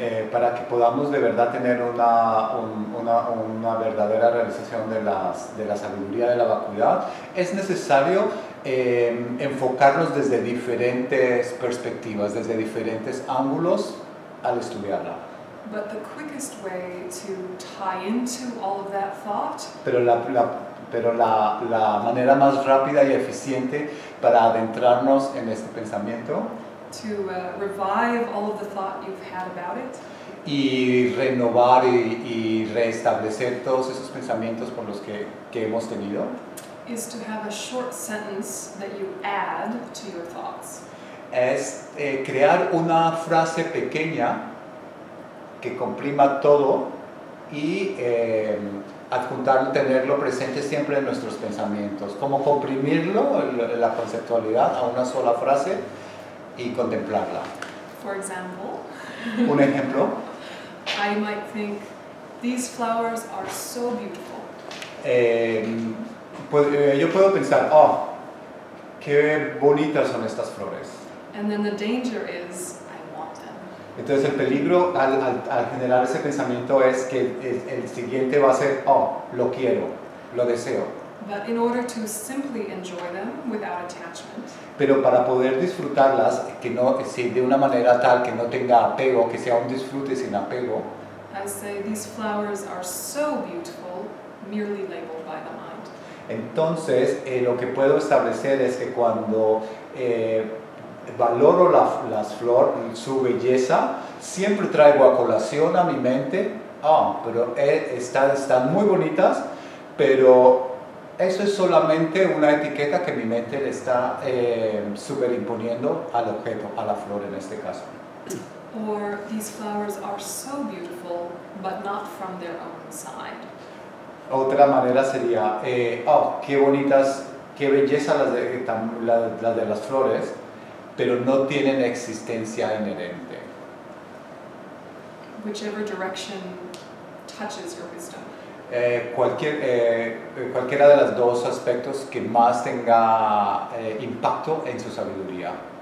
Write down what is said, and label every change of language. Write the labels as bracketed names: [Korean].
[Spanish] Para que podamos de verdad tener una verdadera realización de la sabiduría de la vacuidad, es necesario enfocarnos desde diferentes perspectivas, desde diferentes ángulos al estudiarla. [English] But the quickest way to tie into all of that thought. [Spanish] Pero la manera más rápida y eficiente para adentrarnos en este pensamiento. [English] To revive all of the thought you've had about it. [Spanish] Y renovar y reestablecer todos esos pensamientos por los que hemos tenido. [English] Is to have a short sentence that you add to your thoughts. [Spanish] Es crear una frase pequeña que comprima todo y adjuntarlo, tenerlo presente siempre en nuestros pensamientos. Como comprimirlo, la conceptualidad, a una sola frase y contemplarla. [English] For example. [Spanish] Un ejemplo. [English] I might think these flowers are so beautiful. [Spanish] Yo puedo pensar, oh, qué bonitas son estas flores. [English] And then the danger is, I want them. [Spanish] Entonces el peligro al generar ese pensamiento es que el siguiente va a ser, oh, lo quiero, lo deseo. [English] But in order to simply enjoy them without attachment. [Spanish] Pero para poder disfrutarlas que no de una manera tal que no tenga apego, que sea un disfrute sin apego. [English] I say these flowers are so beautiful, merely labeled by the mind. [Spanish] Entonces, lo que puedo establecer es que cuando valoro las flores, su belleza, siempre traigo a colación a mi mente, pero están muy bonitas, pero eso es solamente una etiqueta que mi mente le está superimponiendo al objeto, a la flor en este caso. [English] Or these flowers are so beautiful, but not from their own side. [Spanish] Otra manera sería, qué bonitas, qué belleza las de las flores, pero no tienen existencia inherente. [English] Whichever direction touches your wisdom. [Spanish] Cualquiera de los dos aspectos que más tenga impacto en su sabiduría.